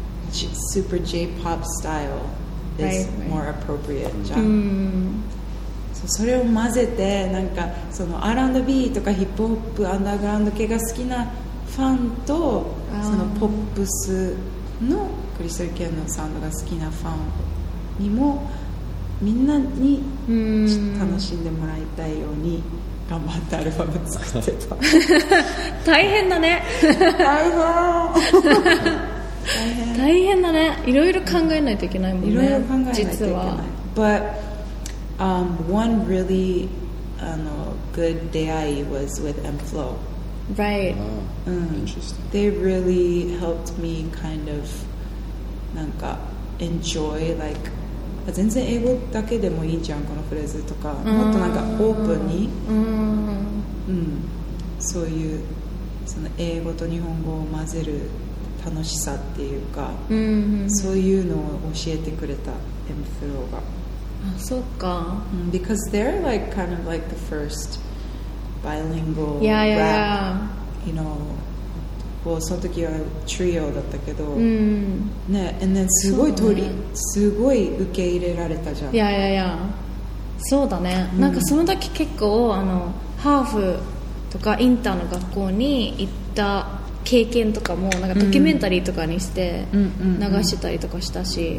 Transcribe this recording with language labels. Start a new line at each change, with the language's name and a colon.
Japanese: スーパー J-POP スタイル
English: is more appropriate
Japanese: じゃん、それを混ぜてなんかその R&B とかヒップホップアンダーグラウンド系が好きなファンと、そのポップスのクリスタル系のサウンドが好きなファンにもみんなに楽しんでもらいたいように頑張ってアルバム作ってた。大変だね。大変大変だね。いろいろ考えないといけないもんね。いろいろ考えないといけない。
English: But one really good
Japanese: 出会い
English: was with M-Flow. Right. Interesting. They really helped me kind of
Japanese: なんか
English: enjoy like
Japanese: 全然英語だけでもいいじゃんこのフレーズとか、もっとなんかオープンに、うん、そういうその英語と日本語を混ぜる楽しさっていうか、そういうのを教えてくれた MFLOW が。あ、そっか。
English: Because they're like kind of like the first bilingual rap. Yeah, yeah, yeah. You know.
Japanese: その時はトリオだったけど、うん、ね、すごい取り、ね、すごい受け入れられたじゃん。いやいやいや、そうだね、うん、なんかその時結構あのハーフとかインターの学校に行った経験とかもなんかドキュメンタリーとかにして流してたりとかしたし、